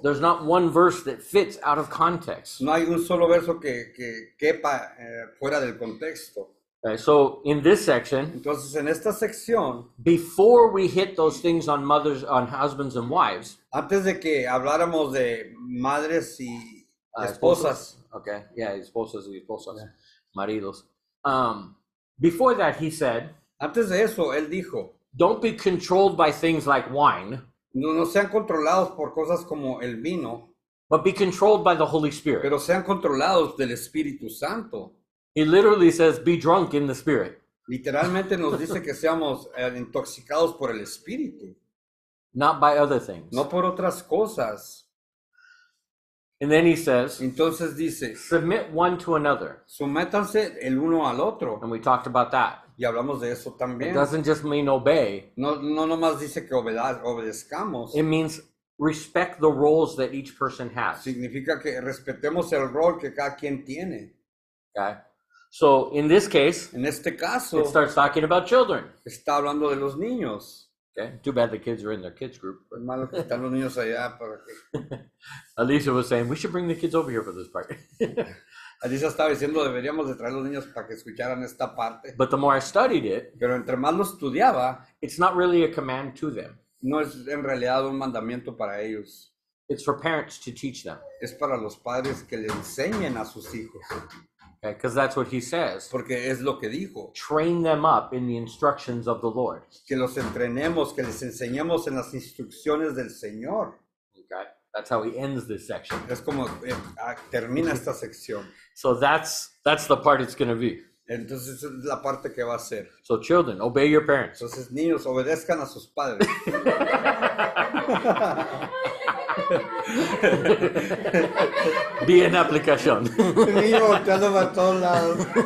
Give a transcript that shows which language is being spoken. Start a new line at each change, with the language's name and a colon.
English: There's not one verse that fits out of context.
Spanish: No hay un solo verso que quepa fuera del contexto.
English: So in this section,
Spanish: entonces en esta sección,
English: before we hit those things on mothers, on husbands and wives,
Spanish: antes de que habláramos de madres y esposas,
English: okay, yeah,
Spanish: esposas y esposas,
English: yeah. Maridos. Before that, he said,
Spanish: antes de eso, él dijo,
English: don't be controlled by things like wine.
Spanish: No sean controlados por cosas como el vino.
English: But be controlled by the Holy Spirit.
Spanish: Pero sean controlados del Espíritu Santo.
English: He literally says, be drunk in the Spirit.
Spanish: Literalmente nos dice que seamos intoxicados por el Espíritu.
English: Not by other things.
Spanish: No por otras cosas.
English: And then he says,
Spanish: entonces dice,
English: submit one to another.
Spanish: Sométanse el uno al otro.
English: And we talked about that.
Spanish: Y hablamos de eso también.
English: It doesn't just mean obey.
Spanish: No nomás dice que obedezcamos.
English: It means respect the roles that each person has.
Spanish: Significa que respetemos el rol que cada quien tiene.
English: Okay. So in this case,
Spanish: en este caso,
English: it starts talking about children.
Spanish: Está hablando de los niños.
English: Okay. Too bad the kids are in their kids group.
Spanish: Malo que están los niños allá.
English: Alicia was saying, we should bring the kids over here for this part.
Spanish: Alicia estaba diciendo, deberíamos de traer los niños para que escucharan esta parte.
English: But the more I studied it,
Spanish: pero entre más lo estudiaba,
English: it's not really a command to them.
Spanish: No es en realidad un mandamiento para ellos.
English: It's for parents to teach them.
Spanish: Es para los padres que le enseñen a sus hijos.
English: Okay, because that's what he says.
Spanish: Porque es lo que dijo.
English: Train them up in the instructions of the Lord.
Spanish: Que los entrenemos, que les enseñemos en las instrucciones del Señor.
English: Okay, that's how he ends this section.
Spanish: Es como termina esta sección.
English: So that's the part it's going to be.
Spanish: Entonces es la parte que va a ser.
English: So children, obey your parents.
Spanish: Entonces niños, obedezcan a sus padres. Bien aplicación. Niño volteando para todos lados.